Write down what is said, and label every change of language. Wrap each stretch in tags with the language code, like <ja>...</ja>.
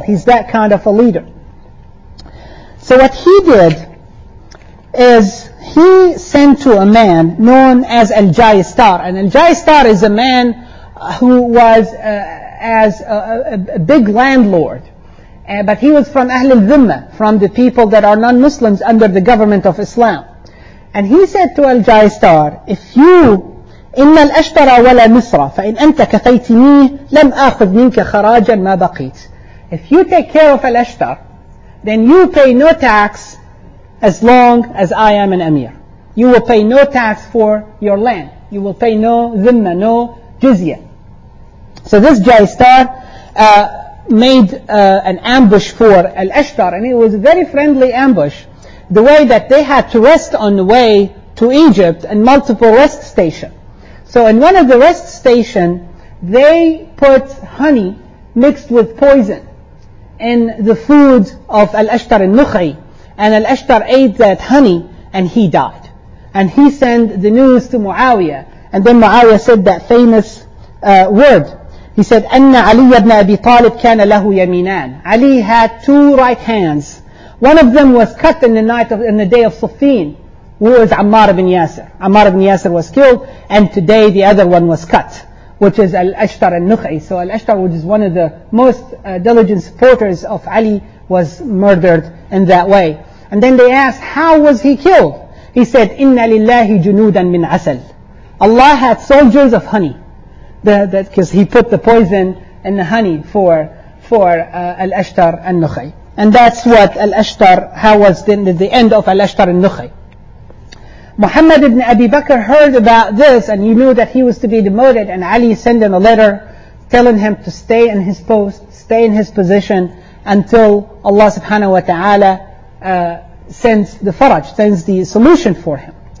<en>He's that kind of a leader. So what he did is he sent to a man known as Al-Jaistar. And Al-Jaistar is a man who was as a big landlord. But he was from Ahl al-Dhimma, from the people that are non-Muslims under the government of Islam. And he said to Al-Jaistar, if you...</en> <ar>إن الأشتر ولا مصر فإن أنت كفيتني لم أخذ منك خراجا ما بقيت.</ar> <en>If you take care of Al-Ashtar, then you pay no tax as long as I am an emir. You will pay no tax for your land. You will pay no dhimma, no jizya. So this Jaistar made an ambush for Al-Ashtar, and it was a very friendly ambush. The way that they had to rest on the way to Egypt and multiple rest stations. So in one of the rest stations, they put honey mixed with poison in the food of Al-Ashtar al-Nukhay. And Al-Ashtar ate that honey and he died. And he sent the news to Muawiyah. And then Muawiyah said that famous word. He said,</en> <ar>أَنَّ عَلِيَّ بْنَ أَبِي طَالِبْ كَانَ لَهُ يَمِينَانَ.</ar> <en>Ali had two right hands. One of them was cut in the day of Siffin. Who is Ammar ibn Yasir? Ammar ibn Yasir was killed, and today the other one was cut, which is Al-Ashtar al-Nukhay. So Al-Ashtar, which is one of the most diligent supporters of Ali, was murdered in that way. And then they asked, how was he killed? He said,</en> <ar>إِنَّ لِلَّهِ جُنُودًا مِنْ عَسَلٍ.</ar> <en>Allah had soldiers of honey. Because he put the poison in the honey for Al-Ashtar al-Nukhay. And that's what Al-Ashtar, how was the end of Al-Ashtar al-Nukhay. Muhammad ibn Abi Bakr heard about this and he knew that he was to be demoted, and Ali sent him a letter telling him to stay in his post, stay in his position until Allah subhanahu wa ta'ala sends the faraj, sends the solution for him.</en>